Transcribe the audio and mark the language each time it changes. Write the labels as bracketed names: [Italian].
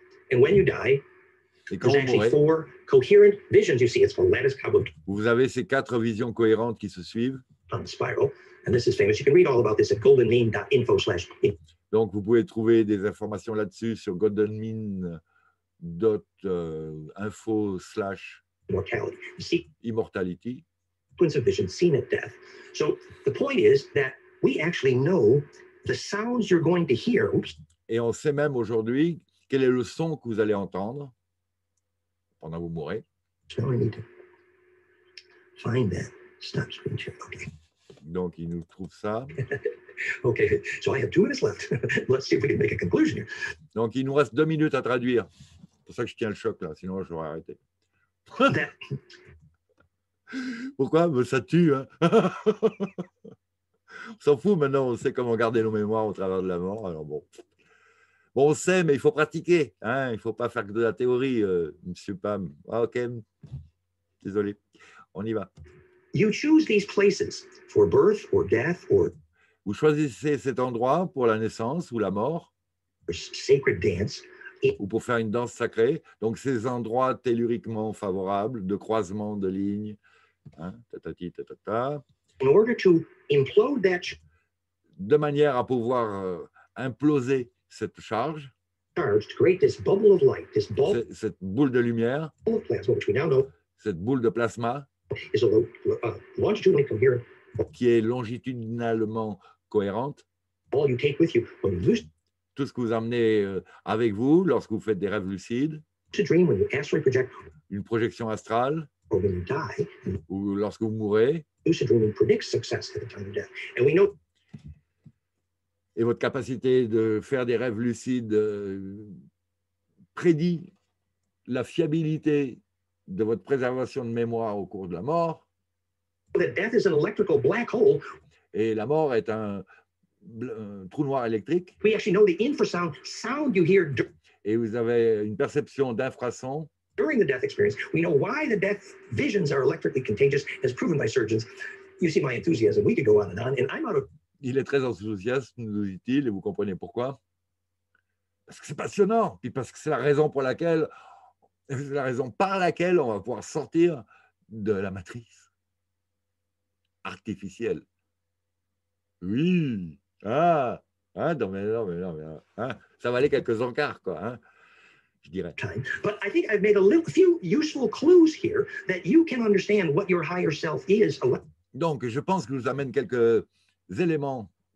[English] And when you die, there's actually four coherent visions you see. It's called lattice cobweb. [French] Vous avez ces quatre visions cohérentes qui se suivent. [English] On the spiral. And this is famous. You can read all about this at goldenmean.info. [French] Donc, vous pouvez trouver des informations là-dessus sur goldenmean.info/immortality. [English] Twins of vision seen at death. So, the point is that we actually know the sounds you're going to hear. Oops. [French] Et on sait même aujourd'hui quel est le son que vous allez entendre pendant que vous mourrez. [English] So, I need to find that. Stop screen share. Okay. [French] Donc, il nous trouve ça. [English] Okay, so I have 2 minutes left. Let's see if we can make a conclusion here. [French] Donc, il nous reste 2 minutes à traduire. C'est pour ça que je tiens le choc là, sinon j'aurais arrêté. Pourquoi ? Mais ça tue. Hein. On s'en fout maintenant, on sait comment garder nos mémoires au travers de la mort. Alors bon. Bon, on sait, mais il faut pratiquer. Hein. Il ne faut pas faire que de la théorie, monsieur Pam. Ah, ok, désolé. On y va. [English] You choose these places for birth or death or. [French] Vous choisissez cet endroit pour la naissance ou la mort. [English] A sacred dance. [French] Ou pour faire une danse sacrée. Donc ces endroits telluriquement favorables de croisement de lignes. Hein, tatati, tatata. [English] In order to implode that. [French] De manière à pouvoir imploser cette charge. [English] Charge to create this bubble of light, this ball. [French] Cette boule de lumière. [English] Bubble of plasma, which we now know. [French] Cette boule de plasma. [English] Is longitudinally coherent. [French] Qui est longitudinalement cohérente. [English] All you take with you when you lose. [French] Tout ce que vous amenez avec vous lorsque vous faites des rêves lucides. [English] To dream when you astral project. [French] Une projection astrale. [English] Or when you die. [French] Ou lorsque vous mourrez. [English] Lucid dreaming predicts success at the time of death. And we know. [French] Et votre capacité de faire des rêves lucides prédit la fiabilité de votre préservation de mémoire au cours de la mort. [English] That death is an electrical black hole. [French] Et la mort est un trou noir électrique. [English] We actually know the infrasound sound you hear. [French] Et vous avez une perception d'infrasons. [English] During the death experience, we know why the death visions are electrically contagious, as proven by surgeons. You see my enthusiasm. We could go on and on, and I'm out of. [French] Il est très enthousiaste, nous dit-il, et vous comprenez pourquoi. Parce que c'est passionnant, puis parce que c'est la raison pour laquelle. C'est la raison par laquelle on va pouvoir sortir de la matrice artificielle. Oui, ah, hein, non. Hein, ça valait quelques encarts, quoi, hein, je dirais. [English] Time. But I think I've made a little few useful clues here that you can understand what your higher self is. [French] Donc, je pense que je vous amène quelques éléments